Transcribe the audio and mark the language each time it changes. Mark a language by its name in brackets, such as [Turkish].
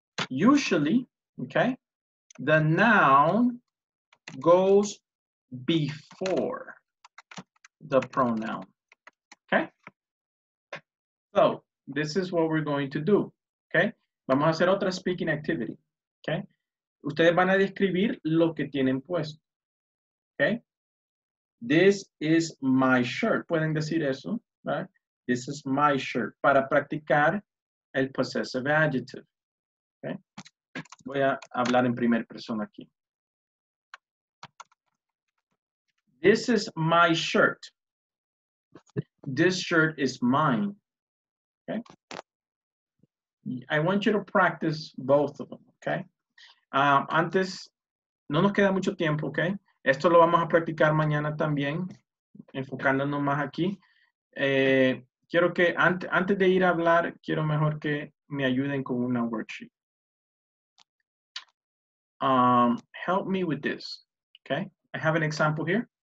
[English] Usually, okay, the noun goes before the pronoun. Okay. So, this is what we're going to do, okay? [Spanish] Vamos a hacer otra speaking activity, okay? Ustedes van a describir lo que tienen puesto, okay? [English] This is my shirt. [Spanish] Pueden decir eso, [English] right? This is my shirt. [Spanish] Para practicar el [English] possessive adjective, okay? [Spanish] Voy a hablar en primera persona aquí. [English] This is my shirt. This shirt is mine. Okay. I want you to practice both of them, okay? [Spanish] Antes, no nos queda mucho tiempo, okay? Esto lo vamos a practicar mañana también, enfocándonos más aquí. Quiero que antes de ir a hablar, quiero mejor que me ayuden con una worksheet. [English] Help me with this, okay? I have an example here.